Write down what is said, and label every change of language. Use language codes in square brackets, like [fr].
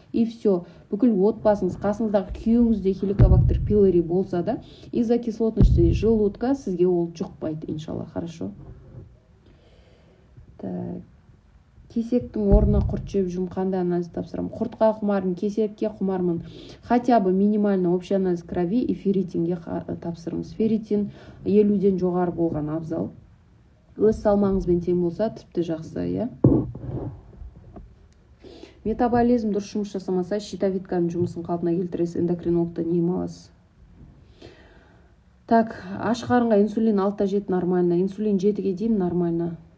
[ru] И все, [kk] бүкіл отбасыңыз, қасыңыздағы күйеуіңізде хеликобактер пилори болса да, [ru] из-за кислотности желудка [kk] сізге ол жұқпайды, иншалла. [ru] Хорошо? [kk] Так. Кесектің орнына құрт жеп жүрмін, қандай анализ тапсырам? Құртқа құмармын, кесекке құмармын. [ru] Хотя бы минимальный общий анализ крови и [kk] ферритинге тапсырамыз. Ферритин 50-ден жоғары болған абзал. Өз салмағыңызбен тең болса, тіпті жақсы, иә. Метаболизм дұрыс жұмыс жасамаса, щитовидканың жұмысын қалпына келтіресіз, эндокринологтан ем аласыз. Так, аш қарынға инсулин 6-та 7 [ru] нормально, [kk] инсулин 7-ге дейін нормально.